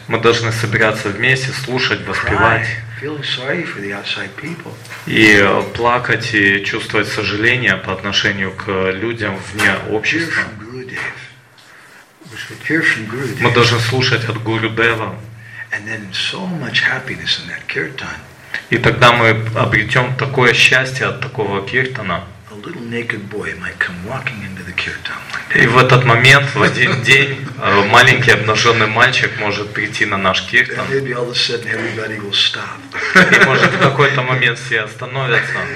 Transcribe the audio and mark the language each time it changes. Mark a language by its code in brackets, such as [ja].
[ru] Мы должны собираться вместе, слушать, воспевать. [en] Cry, feel sorry for the outside people. [ru] И плакать и чувствовать сожаление по отношению к людям вне общества. [en] Hear from Gurudev. We should hear from Gurudev. [ru] Мы должны слушать от Гурудева. [en] And then so much happiness in that kirtan. [ru] И тогда мы обретем такое счастье от такого киртана. И в этот момент, в один день, маленький обнаженный мальчик может прийти на наш киртан. И может в какой-то момент все остановятся.